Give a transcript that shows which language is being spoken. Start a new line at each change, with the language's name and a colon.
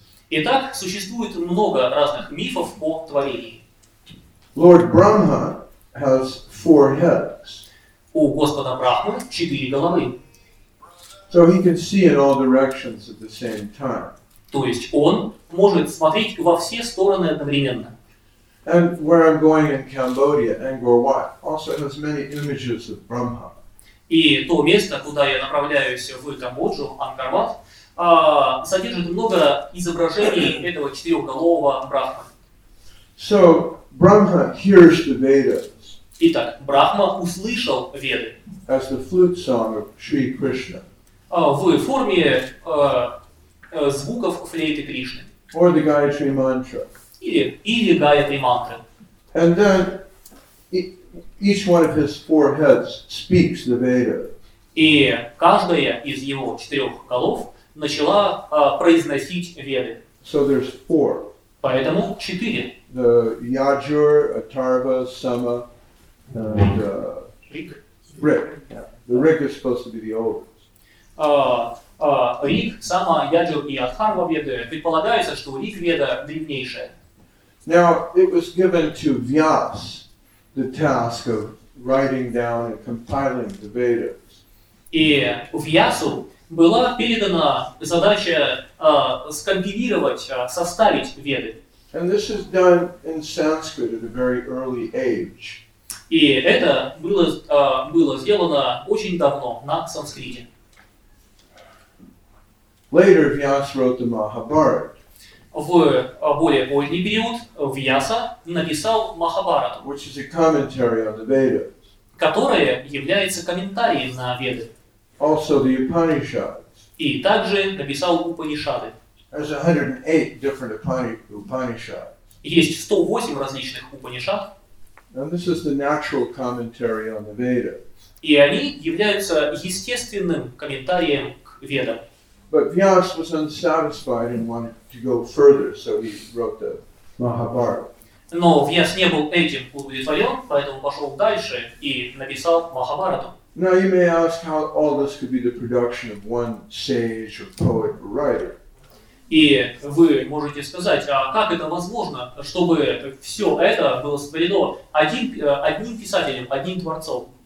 Russian: Итак, существует много разных мифов о творении.
English: Lord Brahma has four heads.
Russian: У Господа Брахмы четыре головы.
English: So he can see in all directions at the same time.
Russian: То есть он может смотреть во все стороны одновременно.
English: And where I'm going in Cambodia, Angkor Wat, also has many images of Brahma.
Russian: И то место, куда я направляюсь в Камбоджу, Ангкор Ват, содержит много изображений этого четырехголового Брахма.
English: So Brahma hears the Vedas.
Russian: Итак, Брахма услышал Веды.
English: As the flute song of Sri Krishna.
Russian: В форме звуков флейты Кришны.
English: Or the Gayatri mantra.
Russian: Или Гаятри мантры.
English: And then each one of his four heads speaks the Veda.
Russian: И каждая из его четырех голов начала произносить Веды.
English: So there's four.
Russian: Поэтому четыре.
English: The Yajur, Atharva, Sama, and Rig. Rig. Yeah. The Rig is supposed to be the oldest.
Russian: Rig, Sama, Yajur и Atharva Веды. Предполагается, что Rig Веда древнейшая.
English: Now it was given to Vyas the task of writing down and compiling the Vedas.
Russian: И Вьясу была передана задача скомпилировать, составить Веды.
English: And this is done in Sanskrit at a very early age.
Russian: И это было было сделано очень давно на санскрите.
English: Later Vyas wrote the Mahabharata.
Russian: В более поздний период Вьяса написал Махабарату,
English: which is a commentary on the Vedas,
Russian: которое является комментарием на Веды.
English: Also the Upanishads.
Russian: И также написал Упанишады.
English: There's 108 different Upanishads.
Russian: Есть 108 различных Упанишад.
English: And this is the natural commentary on the Vedas.
Russian: И они являются естественным комментарием к Ведам.
English: But Vyas was unsatisfied and wanted to go further, so he wrote the Mahabharata.
Russian: Но Вьяс не был этим удовлетворен, поэтому пошел дальше и написал Махабарату.
English: Now you may ask how all this could be the production of one sage or poet or writer.
Russian: И вы можете сказать, а как это возможно, чтобы все это было сотворено одним писателем, одним творцом?